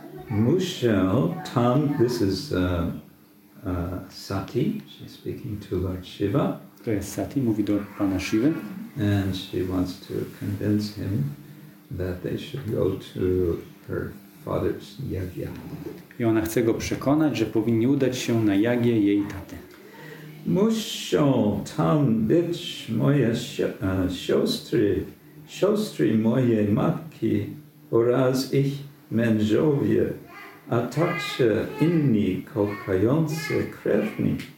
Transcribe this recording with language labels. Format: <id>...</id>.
<pl>Muszę tam,</pl> <en>this is Sati, she's speaking to Lord Shiva.</en> <pl>To jest Sati, mówi do Pana Shiva.</pl> <en>And she wants to convince him that they should go to her father's yagya.</en> <pl>I ona chce go przekonać, że powinni udać się na jagię jej taty. Muszą tam być moje siostry, siostry mojej matki oraz ich mężowie, a także inni kochający krewni.</pl>